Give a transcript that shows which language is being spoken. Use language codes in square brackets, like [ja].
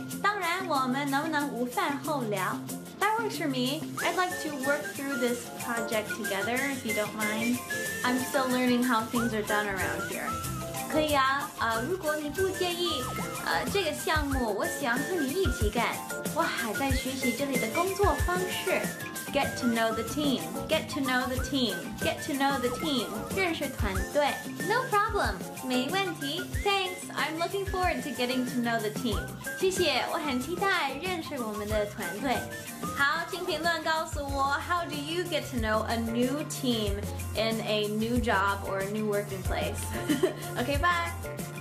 [zh] 当然，我们能不能午饭后聊？ [en] That works for me. I'd like to work through this project together, if you don't mind. I'm still learning how things are done around here. [zh] 可以啊，如果你不介意，这个项目我想和你一起干。我还在学习这里的工作方式。 [en] Get to know the team. Get to know the team. Get to know the team. [zh] 认识团队。 [en] No problem. [zh] 没问题。 [en] Thanks. I'm looking forward to getting to know the team. [zh] 谢谢，我很期待认识我们的团队。好，请评论告诉我 [en] ，How do you get to know a new team in a new job or a new working place? Okay, bye.